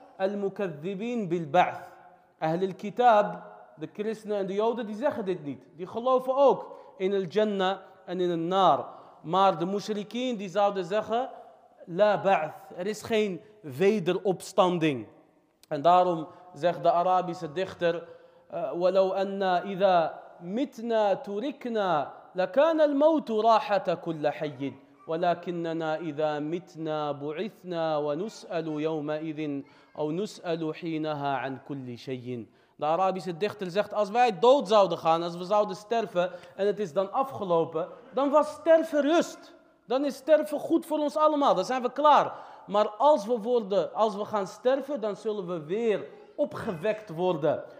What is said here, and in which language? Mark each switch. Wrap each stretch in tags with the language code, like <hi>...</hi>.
<ar>Al-mukadhibin bil-ba'th.</ar> <nl>Ahl al-kitab, de christenen en de joden, die zeggen dit niet. Die geloven ook in al-jannah en in al-naar. Maar de mushrikien die zouden zeggen, la ba'th. Er is geen wederopstanding. En daarom zegt de Arabische dichter:</nl> <ar>وَلَوْ أَنَّا إِذَا مِتْنَا تُرِكْنَا لَكَانَ الْمَوْتُ رَاحَةَ كُلَّ حَيِّدٍ وَلَكِنَّنَا إِذَا مِتْنَا بُعِثْنَا وَنُسْأَلُ يَوْمَئِذٍ أَوْ نُسْأَلُ حِينَهَا عَنْ كُلِّ شَيِّنْ.</ar> <nl>De Arabische dichter zegt: als wij dood zouden gaan, als we zouden sterven en het is dan afgelopen, dan was sterven rust. Dan is sterven goed voor ons allemaal, dan zijn we klaar. Maar als we gaan sterven, dan zullen we weer opgewekt worden.</nl>